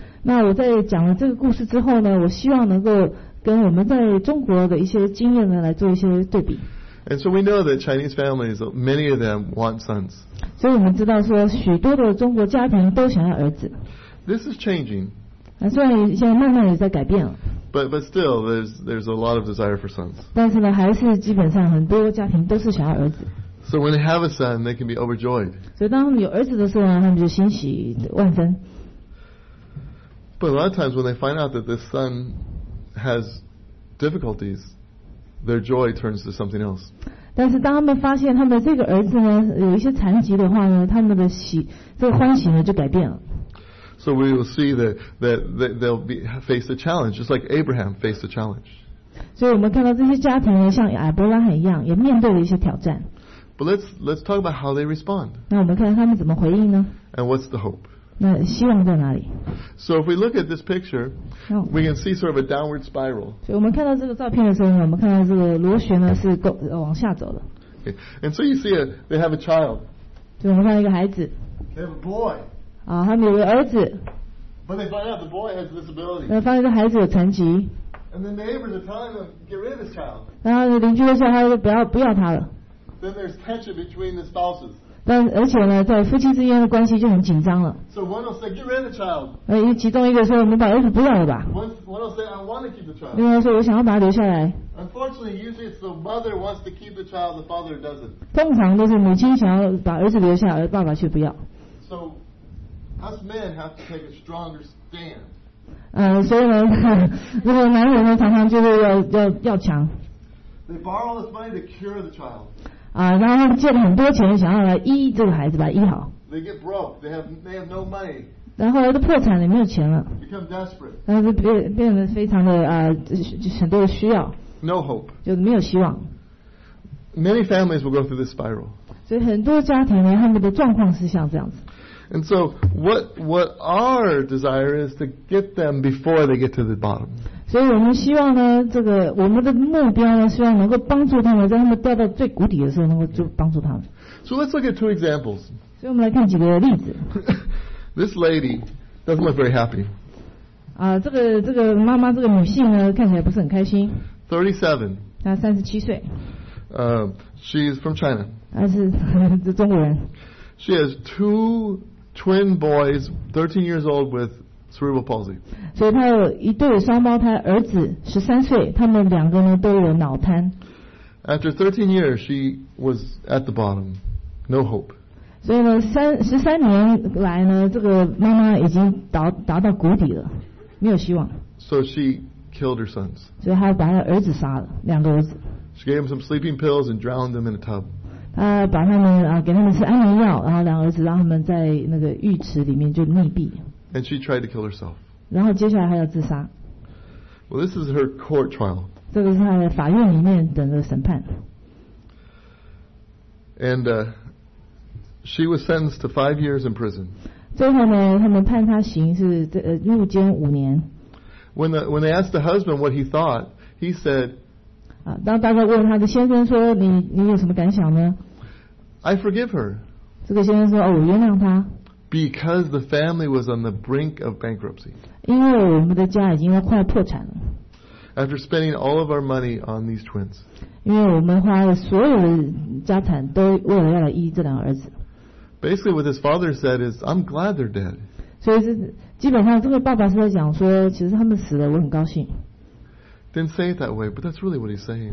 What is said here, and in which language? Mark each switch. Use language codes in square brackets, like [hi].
[zh] 那我在讲了这个故事之后呢，我希望能够跟我们在中国的一些经验呢来做一些对比。 [en] And so we know that Chinese families, many of them want sons. [zh] 所以我们知道说许多的中国家庭都想要儿子。 [en] This is changing. [zh] 虽然现在慢慢也在改变了。 [en] But still, there's a lot of desire for sons. [zh] 但是呢，还是基本上很多家庭都是想要儿子。 [en] So when they have a son, they can be overjoyed. [zh] 所以当他们有儿子的时候呢，他们就欣喜万分。 [en] But a lot of times when they find out that this son has difficulties, their joy turns to something else. [zh] 但是当他们发现他们这个儿子呢有一些残疾的话呢，他们的欢喜呢就改变了。 [en] So we will see that they'll be face a challenge, just like Abraham faced a challenge. [zh] 所以我们看到这些家庭呢，像亚伯拉罕一样，也面对了一些挑战。 [en] But let's talk about how they respond. [zh] 那我们看他们怎么回应呢？ [en] And what's the hope? [zh] 那希望在哪里？ [en] So if we look at this picture, we can see sort of a downward spiral. [zh] 所以我们看到这个照片的时候呢，我们看到这个螺旋呢是往下走的。 [en] Okay. And so you see they have a child. [zh] 所以我们看到一个孩子。 [en] They have a boy. [zh] 啊，他们有个儿子。 [en] But they find out the boy has a disability. [zh] 那发现这孩子有残疾。 [en] And the neighbors are telling them, get rid of this child. [zh] 然后邻居都说他说不要他了。 [en] Then there's tension between the spouses. [zh] 但而且呢，在夫妻之间的关系就很紧张了。 [en] So one will say, get rid of the child. [zh] 其中一个说我们把儿子不要了吧。 [en] One will say, I want to keep the child. [zh] 另外说我想要把他留下来。 [en] Unfortunately, usually it's the mother wants to keep the child, the father doesn't. [zh] 通常都是母亲想要把儿子留下，而爸爸却不要。 [en] So,Us men have to take a stronger stand. [zh] 所以呢，如果男人呢，常常就是要强。 [en] They borrow this money to cure the child. [zh] 然后借了很多钱，想要来医这个孩子，把他医好。 [en] They get broke. They have no money. [zh] 然后来都破产了，没有钱了。 [en] Become desperate. [zh] 然后就变得非常的很多的需要。 [en] No hope. [zh] 就没有希望。 [en] Many families will go through this spiral. [zh] 所以很多家庭呢，他们的状况是像这样子。 [en] And so what our desire is to get them before they get to the bottom. [zh] 所以我们希望呢，这个我们的目标呢，希望能够帮助他们，在他们掉到最谷底的时候，能够就帮助他们。 [en] So let's look at two examples. [zh] 所以我们来看几个例子。 [en] This lady doesn't look very happy. [zh] 这个妈妈这个女性呢，看起来不是很开心。 [en] 37。 [zh] 她37岁。 [en] She's from China. [zh] 她是中国人。 [en] She has two twin boys, 13 years old, with cerebral palsy. [zh] 所以她有一对双胞胎儿子，13岁，他们两个呢都有脑瘫。 [en] After 13 years, she was at the bottom, no hope. [zh] 所以呢，13年来呢，这个妈妈已经达到谷底了，没有希望。 [en] So she killed her sons. [zh] 所以她把她儿子杀了，两个儿子。 [en] She gave them some sleeping pills and drowned them in a tub. [zh] 把他们给他们吃安眠药，然后两个儿子让他们在那个浴池里面就溺毙。 [en] And she tried to kill herself. [zh] 然后接下来还要自杀。 [en] Well, this is her court trial. [zh] 这个是她的法院里面等着审判。 [en] And she was sentenced to 5 years in prison. [zh] 最后呢，他们判她刑是入监五年。 [en] When they asked the husband what he thought, he said. [zh] 当大家问他的先生说你有什么感想呢 [en] I forgive her [zh] 这个先生说我原谅他 [en] Because the family was on the brink of bankruptcy [zh] 因为我们的家已经快破产了 [en] After spending all of our money on these twins [zh] 因为我们花了所有的家产都为了要来医这两个儿子 [en] Basically what his father said is I'm glad they're dead [zh] 所以是基本上这个爸爸是在讲说其实他们死了我很高兴 [en] Didn't say it that way, but that's really what he's saying.